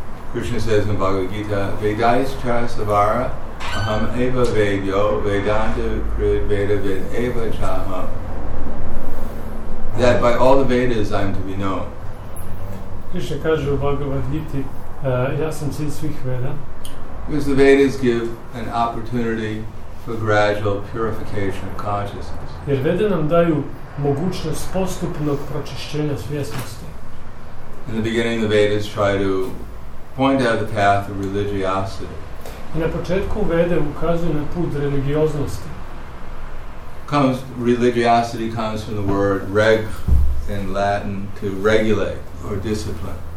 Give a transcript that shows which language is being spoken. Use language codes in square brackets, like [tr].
[en] Krishna says in Bhagavad Gita, [sa] Vedais Chasavara Aham Eva Vedyo Vedanta Krid Veda Vid Eva Chaha, [en] that by all the Vedas I am to be known. [hr] Krishna kaže u Bhagavad Gita, ja sam cilj svih Veda. [en] Because the Vedas give an opportunity for gradual purification of consciousness. [hr] Jer Vede nam daju mogućnost postupnog pročišćenja svjesnosti. [en] In the beginning, the Vedas try to point out the path of religiosity. [hr] I na početku Vede ukazuju na put religioznosti. [en] Religiosity comes from the word reg in Latin, to regulate or discipline.